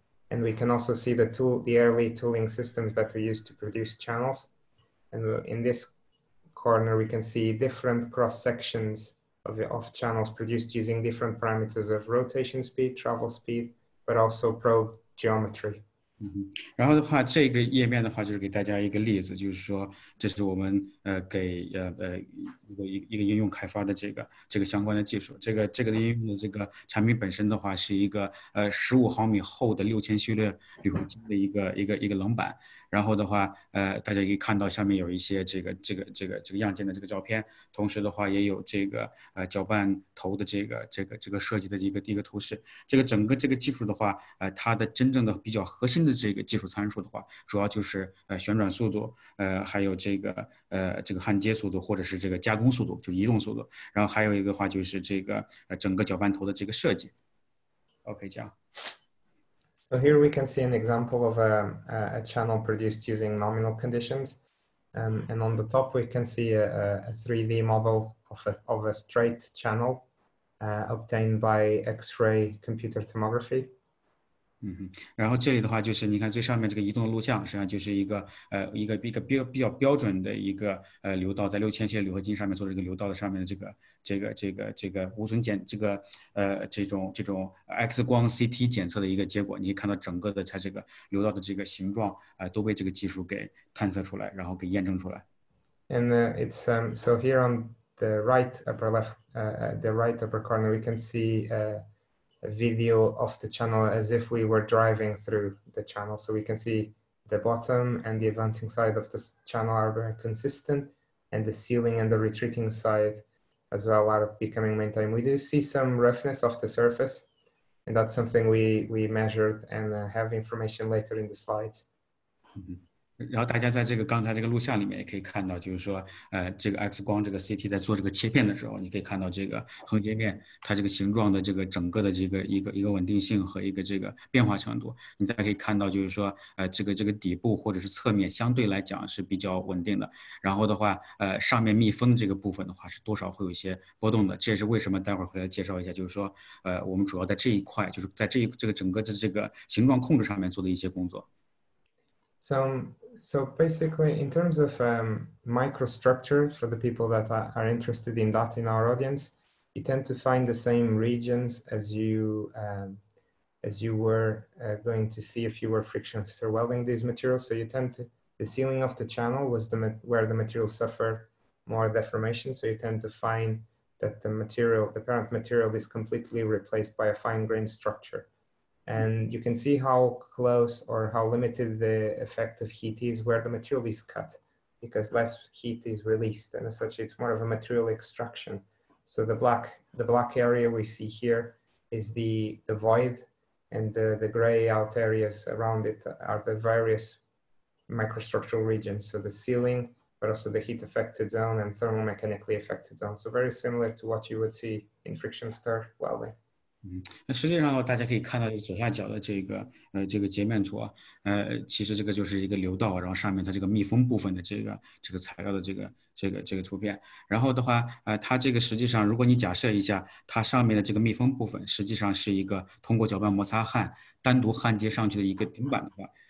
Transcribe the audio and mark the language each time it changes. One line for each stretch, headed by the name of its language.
English: And we can also see the early tooling systems that we use to produce channels. And in this corner, we can see different cross sections of channels produced using different parameters of rotation speed, travel speed, but also probe geometry.
Chinese: 然后的话，这个页面的话，就是给大家一个例子，就是说，这是我们给一个应用开发的这个相关的技术，这个应用的这个产品本身的话，是一个15毫米厚的6000序列铝合金的一个冷板。然后的话，大家可以看到下面有一些这个样件的这个照片，同时的话也有这个搅拌头的这个设计的一个图示。这个整个这个技术的话，它的真正的比较核心的这个技术参数的话，主要就是旋转速度，还有这个焊接速度或者是这个加工速度，就移动速度。然后还有一个话就是这个整个搅拌头的这个设计。 OK，这样。
English: So here we can see an example of a channel produced using nominal conditions. And on the top, we can see a 3D model of a straight channel obtained by X-ray computer tomography.
Chinese: 然后这里的话就是，你看最上面这个移动的录像，实际上就是一个比较标准的一个流道，在6000序列铝合金上面做这个流道的上面的这个无损检这个这种 X 光 CT 检测的一个结果，你看到整个的它这个流道的这个形状都被这个技术给探测出来，然后给验证出来。
English: And it's so here on the right upper left, the right upper corner, we can see a video of the channel as if we were driving through the channel. So we can see the bottom and the advancing side of the channel are very consistent, and the ceiling and the retreating side as well are becoming maintained. We do see some roughness off the surface, and that's something we measured and have information later in the slides.
Chinese: 然后大家在这个刚才这个录像里面也可以看到，就是说，这个 X 光这个 CT 在做这个切片的时候，你可以看到这个横截面它这个形状的这个整个的这个一个稳定性和一个这个变化程度。你大家可以看到，就是说，这个底部或者是侧面相对来讲是比较稳定的。然后的话，上面密封这个部分的话是多少会有一些波动的。这也是为什么待会儿回来介绍一下，就是说，我们主要在这一块，就是在这个整个的这个形状控制上面做的一些工作。
English: So basically, in terms of microstructure, for the people that are interested in that in our audience, you tend to find the same regions as you were going to see if you were friction stir welding these materials. So you tend to the ceiling of the channel was the where the materials suffer more deformation. So you tend to find that the parent material is completely replaced by a fine grain structure. And you can see how close or how limited the effect of heat is where the material is cut, because less heat is released, and as such, it's more of a material extraction. So the black area we see here is the void, and the gray out areas around it are the various microstructural regions. So the ceiling, but also the heat affected zone and thermomechanically affected zone. So very similar to what you would see in friction stir welding.
Chinese: 那实际上大家可以看到左下角的这个截面图啊，其实这个就是一个流道，然后上面它这个密封部分的这个材料的这个图片。然后的话，它这个实际上，如果你假设一下，它上面的这个密封部分实际上是一个通过搅拌摩擦焊单独焊接上去的一个顶板的话，